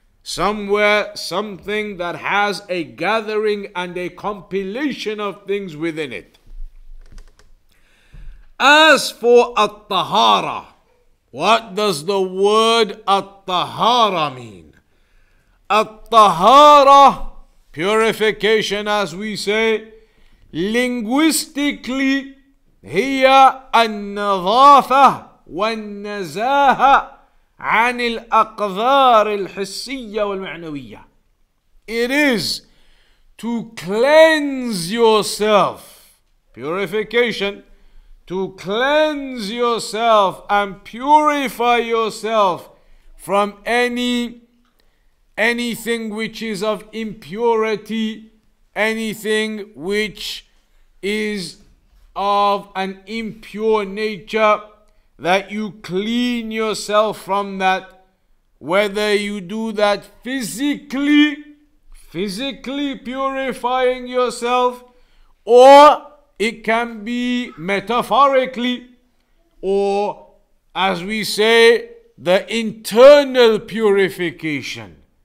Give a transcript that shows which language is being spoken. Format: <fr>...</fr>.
<en>Somewhere, something that has a gathering and a compilation of things within it. As for at-tahara, what does the word at-tahara mean? At-tahara, purification as we say, linguistically,</en> <ar>هي النظافة والنزاهة عن الأقذار الحسية والمعنوية.</ar> <en>It is to cleanse yourself, purification, to cleanse yourself and purify yourself from anything which is of impurity, anything which is of an impure nature, that you clean yourself from that, whether you do that physically purifying yourself, or it can be metaphorically, or as we say, the internal purification.</en>